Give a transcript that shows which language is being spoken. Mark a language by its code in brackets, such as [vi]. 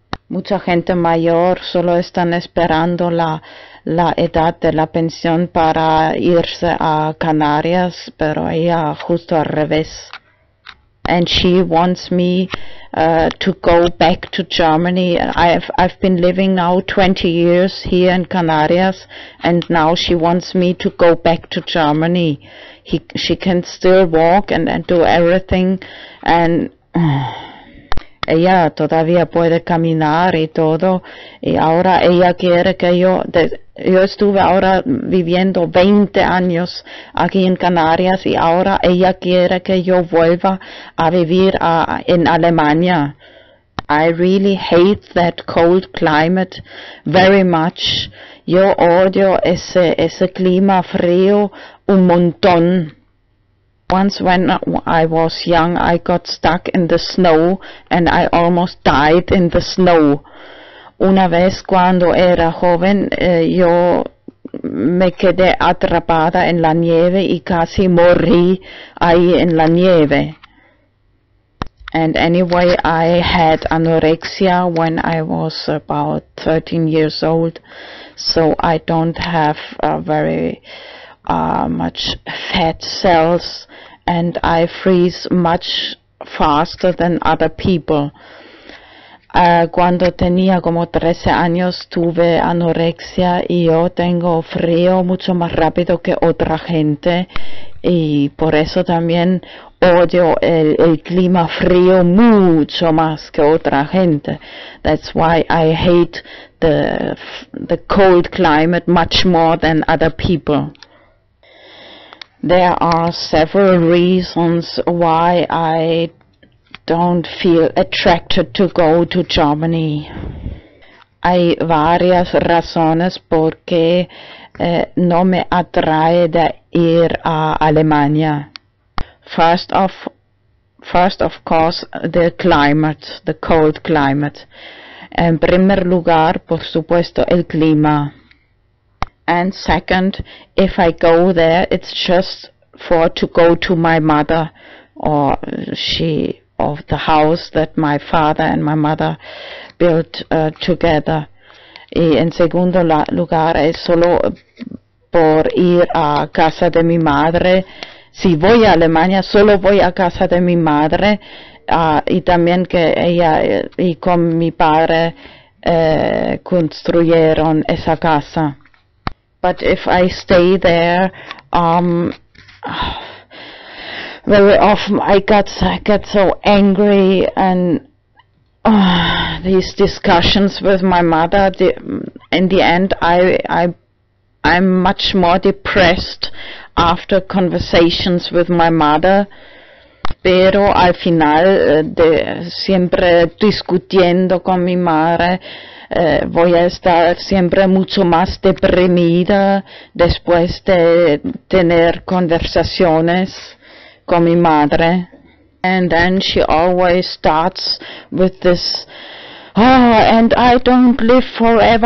[es] Mucha gente mayor solo están esperando la edad de la pensión para irse a Canarias, pero ella justo al revés. [en] And she wants me to go back to Germany. I've been living now 20 years here in Canarias, and now she wants me to go back to Germany. She can still walk and do everything, and [es] ella todavía puede caminar y todo, y ahora ella quiere que yo estuve ahora viviendo 20 años aquí en Canarias y ahora ella quiere que yo vuelva a vivir en Alemania. [en] I really hate that cold climate very much. [es] Yo odio ese clima frío un montón. [en] Once when I was young, I got stuck in the snow and I almost died in the snow. [es] Una vez cuando era joven, yo me quedé atrapada en la nieve y casi morí ahí en la nieve. [en] And anyway, I had anorexia when I was about 13 years old, so I don't have very much fat cells, and I freeze much faster than other people. [es] Cuando tenía como 13 años tuve anorexia y yo tengo frío mucho más rápido que otra gente y por eso también odio el clima frío mucho más que otra gente. [en] That's why I hate the cold climate much more than other people. There are several reasons why I don't feel attracted to go to Germany. [es] Hay varias razones por qué no me atrae de ir a Alemania. [en] First of course, the climate, the cold climate. [es] En primer lugar, por supuesto, el clima. [en] And second, if I go there, it's just for to go to my mother, or she, of the house that my father and my mother built together. [es] Y en segundo lugar, es solo por ir a casa de mi madre. Si voy a Alemania, solo voy a casa de mi madre, y también que ella y con mi padre construyeron esa casa. [en] But if I stay there, very often I get so angry, and these discussions with my mother, in the end I'm much more depressed after conversations with my mother. [es] Pero al final, siempre discutiendo con mi madre, voy a estar siempre mucho más deprimida después de tener conversaciones con mi madre. [en] And then she always starts with this, oh, and I don't live forever.